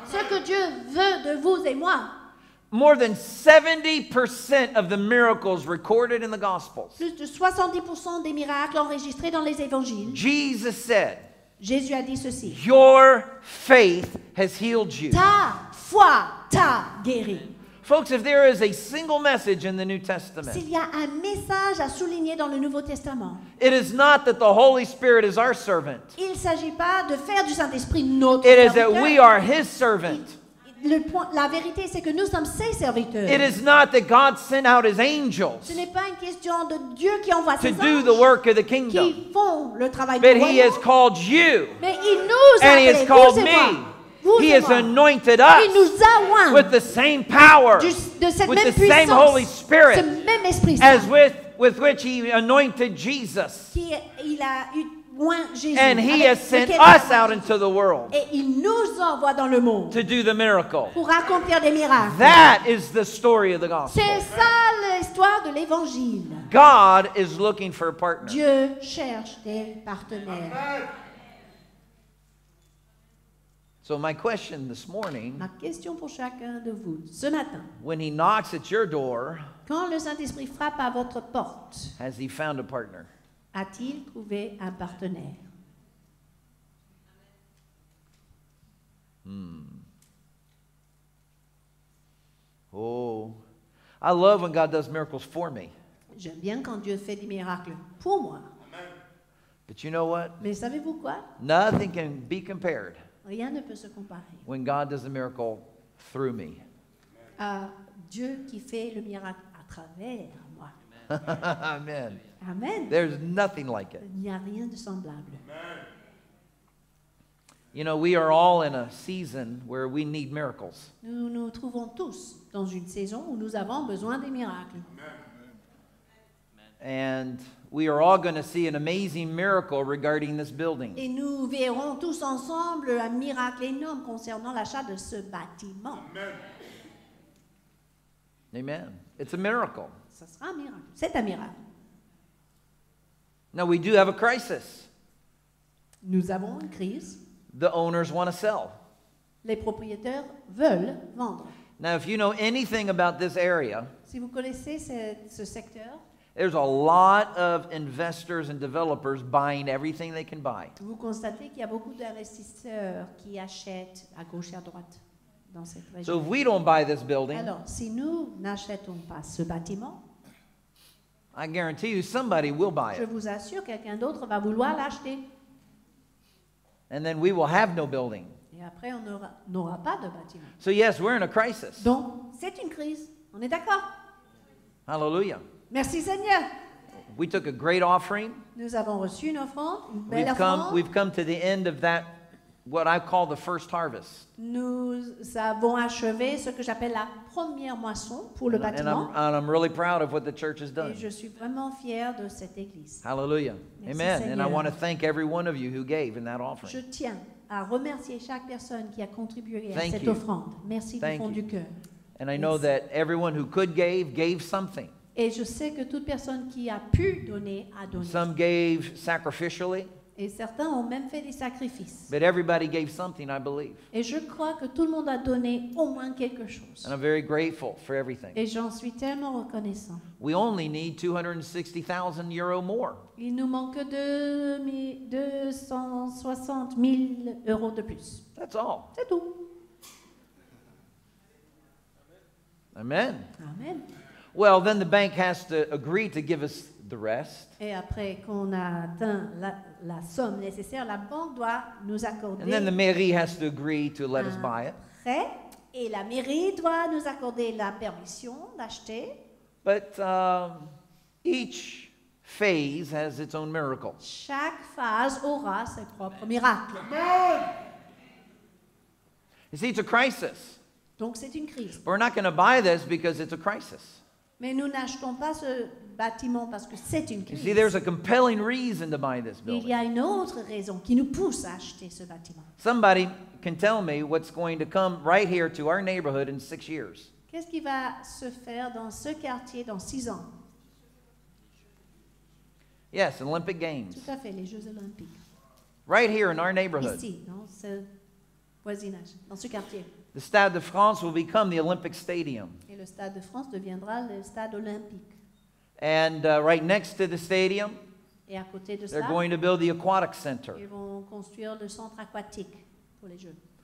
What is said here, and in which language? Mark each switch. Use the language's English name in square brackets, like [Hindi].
[French] Ce que Dieu veut de vous et moi. [English] More than 70% of the miracles recorded in the Gospels. [French] Plus de 70% des miracles enregistrés dans les évangiles. [English] Jesus said. [French] Jésus a dit ceci. [English] Your faith has healed you. [French] Ta foi t'a guéri. [English] Folks, if there is a single message in the New Testament. [French] S'il y a un message à souligner dans le Nouveau Testament. [English] It is not that the Holy Spirit is our servant. [French] Il s'agit pas de faire du Saint-Esprit notre serviteur. [English] It is that we are his servant. [French] La vérité, c'est que nous sommes ses serviteurs. [English] It is not that God sent out his angels. [French] Ce n'est pas une question de Dieu qui envoie ses [English] anges. To do the work of the kingdom. [French] Qui font le travail [English] but he has called you. [French] Mais il nous a appelés. [English] And he has called me. [French] Vous [English] he has anointed us. [French] Il nous a oint. [English] With the same power. [French] De cette [English] with [French] même [English] the same Holy Spirit. [French] Ce même esprit. [English] As with which he anointed Jesus. [French] Il a eu [English] and he has sent us out into the world [French] et il nous envoie dans le monde [English] to do the miracle. [French] Pour accomplir des miracles. [English] That is the story of the gospel. [French] C'est ça l'histoire de l'évangile. [English] God is looking for a partner. [French] Dieu cherche des partenaires. [English] So my question this morning, [French] ma question pour chacun de vous ce matin, [English] when he knocks at your door, [French] quand le Saint-Esprit frappe à votre porte, [English] has he found a partner? [French] A-t-il trouvé un partenaire? [English] Oh, I love when God does miracles for me. [French] J'aime bien quand Dieu fait des miracles pour moi. [English] Amen. But you know what? [French] Mais savez-vous quoi? [English] Nothing can be compared. [French] Rien ne peut se comparer. [English] When God does a miracle through me. [French] À Dieu qui fait le miracle à travers moi. Amen. Amen. [English] There's nothing like it. [French] Il n'y a rien de semblable. [English] You know, we are all in a season where we need miracles. [French] Nous nous trouvons tous dans une saison où nous avons besoin des miracles. [English] And we are all going to see an amazing miracle regarding this building. [French] Et nous verrons tous ensemble un miracle énorme concernant l'achat de ce bâtiment. Amen. [English] Amen. It's a miracle. [French] Ça sera un miracle. C'est un miracle. [English] Now we do have a crisis. [French] Nous avons une crise. [English] The owners want to sell. [French] Les propriétaires veulent vendre. [English] Now, if you know anything about this area, [French] si vous connaissez ce secteur, [English] there's a lot of investors and developers buying everything they can buy. [French] Vous constatez qu'il y a beaucoup d'investisseurs qui achètent à gauche et à droite dans cette région. [English] So if we don't buy this building, [French] alors, si nous n'achetons pas ce bâtiment, [English] I guarantee you somebody will buy it. [French] Je vous assure, quelqu'un d'autre va vouloir l'acheter. [English] And then we will have no building. [French] Et après, on n'aura pas de bâtiment. [English] So yes, we're in a crisis. [French] Donc, c'est une crise. On est d'accord. [English] Hallelujah. [French] Merci Seigneur. [English] We took a great offering. [French] Nous avons reçu une offrande, une belle offrande. [English] We've come to the end of that, what I call the first harvest. [French] Nous avons achevé ce que j'appelle la première moisson pour le bâtiment. [English] And I'm really proud of what the church has done. [French] Et je suis vraiment fier de cette église. [English] Hallelujah. [French] Merci [English] Amen. [French] Seigneur. [English] And I want to thank every one of you who gave in that offering. [French] Je tiens à remercier chaque personne qui a contribué [English] thank [French] à cette [English] you. [French] Offrande. Merci [English] thank [French] du fond [English] you. [French] Du cœur. [English] And I know that everyone who could gave something. [French] Et je sais que toute personne qui a pu donner a donné. [English] Some gave sacrificially. [French] Et certains ont même fait des sacrifices. [English] But everybody gave something, I believe. [French] Et je crois que tout le monde a donné au moins quelque chose. [English] And I'm very grateful for everything. [French] Et j'en suis tellement reconnaissant. [English] We only need 260,000 euro more. [French] Il nous manque 260 000 euros de plus. [English] That's all. [French] C'est tout. [English] Amen. [French] Amen. [English] Well, then the bank has to agree to give us the rest. [French] Et après qu'on a atteint la somme nécessaire, la banque doit nous accorder. [English] And then the mairie has to agree to let us buy it. [French] Prêt. Et la mairie doit nous accorder la permission d'acheter. [English] But each phase has its own miracle. [French] Chaque phase aura ses propres miracles. [English] Amen. You see, it's a crisis. [French] Donc c'est une crise. [English] We're not going to buy this because it's a crisis. [French] Mais nous n'achetons pas ce bâtiment parce que c'est une crise. [English] You see, there's a compelling reason to buy this building. [French] Il y a une autre raison qui nous pousse à acheter ce bâtiment. [English] Somebody can tell me what's going to come right here to our neighborhood in 6 years. [French] Qu'est-ce qui va se faire dans ce quartier dans 6 ans? [English] Yes, Olympic Games. [French] Tout à fait, les Jeux Olympiques. [English] Right here in our neighborhood. [French] Ici, dans ce voisinage, dans ce quartier. [English] The Stade de France will become the Olympic Stadium. [French] Et le Stade de France deviendra le Stade Olympique. [English] And right next to the stadium, [French] et à côté de [English] they're [French] ça, [English] going to build the Aquatic Center. [French] Ils vont construire le centre aquatique pour les Jeux.